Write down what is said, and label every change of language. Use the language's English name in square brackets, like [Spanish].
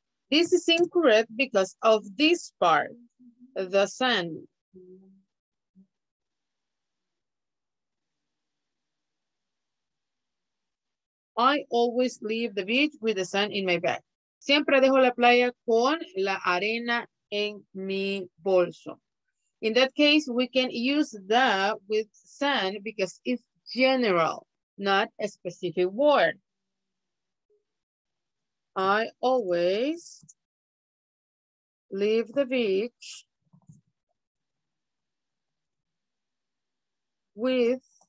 [English] This is incorrect because of this part, the sun. I always leave the beach with the sand in my bag. [Spanish] Siempre dejo la playa con la arena en mi bolso. [English] In that case, we can use the with sand because it's general, not a specific word. I always leave the beach with